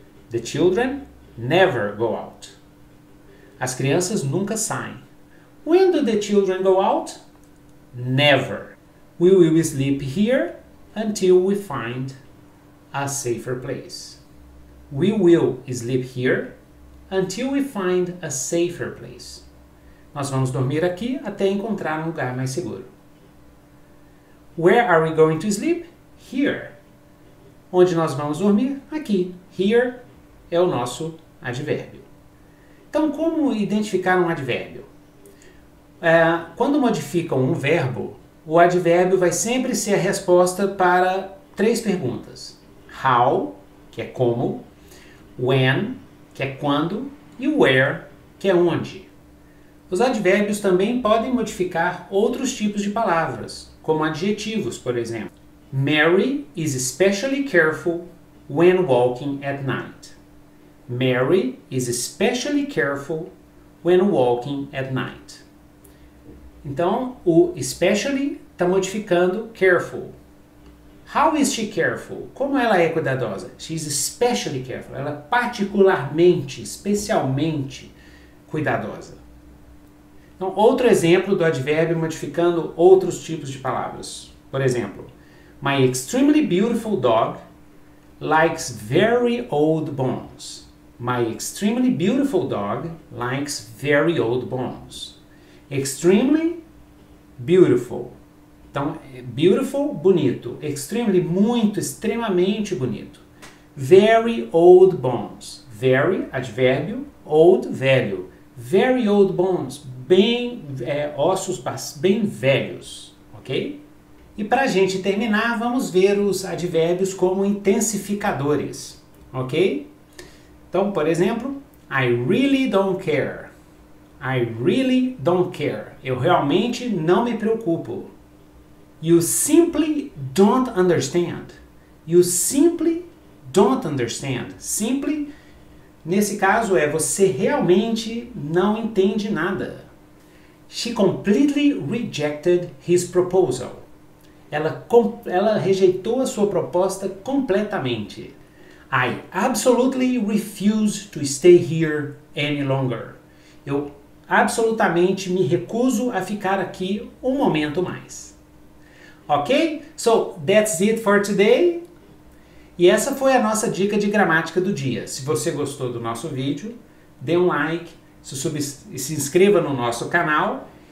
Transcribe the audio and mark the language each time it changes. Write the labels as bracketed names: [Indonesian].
[English] The children never go out. [Portuguese] As crianças nunca saem. [English] When do the children go out? Never. We will sleep here until we find a safer place. We will sleep here until we find a safer place. [Portuguese] Nós vamos dormir aqui até encontrar um lugar mais seguro. [English] Where are we going to sleep? [Portuguese] Here. Onde nós vamos dormir? Aqui. Here é o nosso advérbio. Então, como identificar um advérbio? Quando modificam um verbo, o advérbio vai sempre ser a resposta para três perguntas: How, que é como; When, que é quando; e where, que é onde. Os advérbios também podem modificar outros tipos de palavras, como adjetivos, por exemplo. [English] Mary is especially careful when walking at night. Mary is especially careful when walking at night. [Portuguese] Então, o especially está modificando careful. [English] How is she careful? [Portuguese] Como ela é cuidadosa? [English] She's especially careful. [Portuguese] Ela é particularmente, especialmente cuidadosa. Então, outro exemplo do advérbio modificando outros tipos de palavras. Por exemplo, [English] My extremely beautiful dog likes very old bones. My extremely beautiful dog likes very old bones. Extremely beautiful. Então, beautiful, bonito. Extremely, [Portuguese] muito, extremamente bonito. [English] Very old bones. Very, advérbio, old, velho. Very old bones. [Portuguese] Ossos bem velhos, ok? E para a gente terminar, vamos ver os advérbios como intensificadores, ok? Então, por exemplo, [English] I really don't care. I really don't care. [Portuguese] Eu realmente não me preocupo. [English] You simply don't understand. You simply don't understand. [Portuguese] Simply, nesse caso, é você realmente não entende nada. [English] She completely rejected his proposal. [Portuguese] Ela rejeitou a sua proposta completamente. [English] I absolutely refuse to stay here any longer. [Portuguese] Eu absolutamente me recuso a ficar aqui um momento mais. Ok? [English] So, that's it for today. [Portuguese] E essa foi a nossa dica de gramática do dia. Se você gostou do nosso vídeo, dê um like, se inscreva no nosso canal.